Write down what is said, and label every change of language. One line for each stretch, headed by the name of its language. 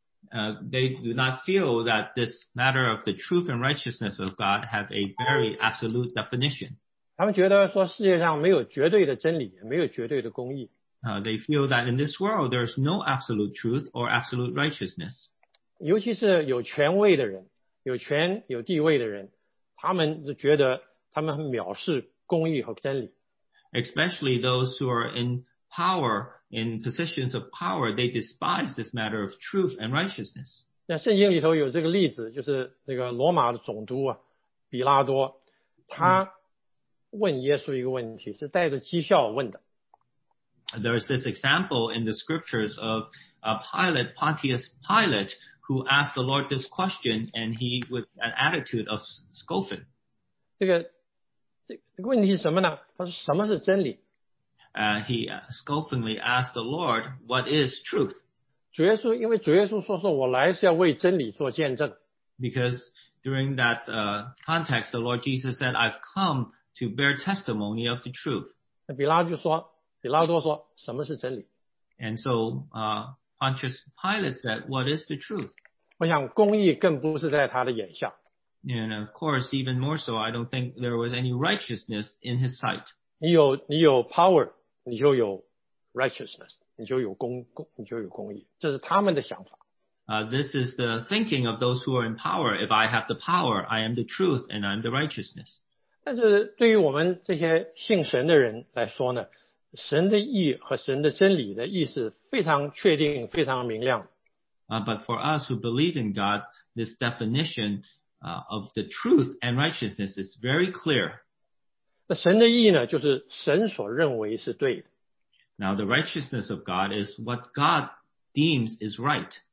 English: They do not feel that this matter of the truth and righteousness of God have a very absolute definition.
Chinese: 他们觉得说世界上没有绝对的真理，没有绝对的公义。
English: They feel that in this world there is no absolute truth or absolute righteousness.
Chinese: 尤其是有权位的人，有权有地位的人，他们是觉得。他们藐视公义和真理。
English: Especially those who are in power, in positions of power, they despise this matter of truth and righteousness.
Chinese: 那圣经里头有这个例子，就是那个罗马的总督比拉多，他问耶稣一个问题，是带着讥笑问的。
English: There is this example in the scriptures of a Pilate, Pontius Pilate, who asked the Lord this question, and he with an attitude of scoffing.
Chinese: 这个问题是什么呢？他说什么是真理？
English: He scoffingly asked the Lord, "What is truth?"
Chinese: 主耶稣因为主耶稣说我来是要为真理做见证。
English: Because during that context, the Lord Jesus said, "I've come to bear testimony of the truth.
Chinese: 比拉多说, 什么是真理?
English: And so Pontius Pilate said, what is the truth?
Chinese: 我想公义更不是在他的眼下。
English: And of course, even more so, I don't think there was any righteousness in his sight.
Chinese: 你有 power, 你就有 righteousness, 你就有公义, 这是他们的想法。
English: This is the thinking of those who are in power. If I have the power, I am the truth and I am the righteousness.
Chinese: 但是对于我们这些信神的人来说呢, 神的义和神的真理的意思非常确定,非常明亮。
English: But for us who believe in God, this definition of the truth and righteousness is very clear.
Chinese: 那神的义呢,就是神所认为是对的。
English: Now the righteousness of God is what God deems is right.